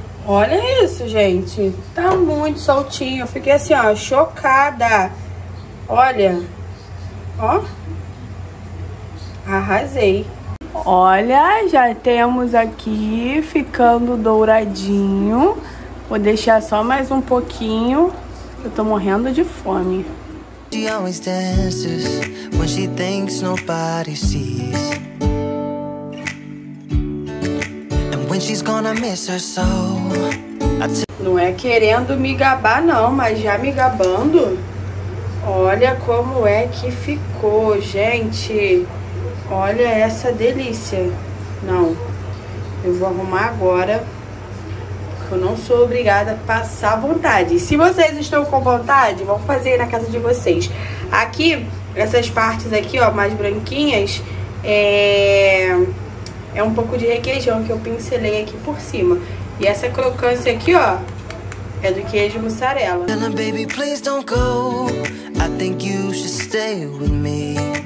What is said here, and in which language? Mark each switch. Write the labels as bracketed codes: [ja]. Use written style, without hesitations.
[pt] Olha isso, gente. Tá muito soltinho. Eu fiquei assim, ó, chocada. Olha. Ó. Arrasei. Olha, já temos aqui ficando douradinho. Vou deixar só mais um pouquinho. Eu tô morrendo de fome. [en] She always dances when she thinks nobody sees. And when when she's gonna miss her soul. [pt] Não é querendo me gabar, não, mas já me gabando. Olha como é que ficou, gente. Olha essa delícia. Não, eu vou arrumar agora, porque eu não sou obrigada a passar vontade. Se vocês estão com vontade, vão fazer aí na casa de vocês. Aqui, essas partes aqui, ó, mais branquinhas, é um pouco de requeijão que eu pincelei aqui por cima. E essa crocância aqui, ó, é do queijo mussarela. [en] Tell them, baby, please don't go. I think you should stay with me.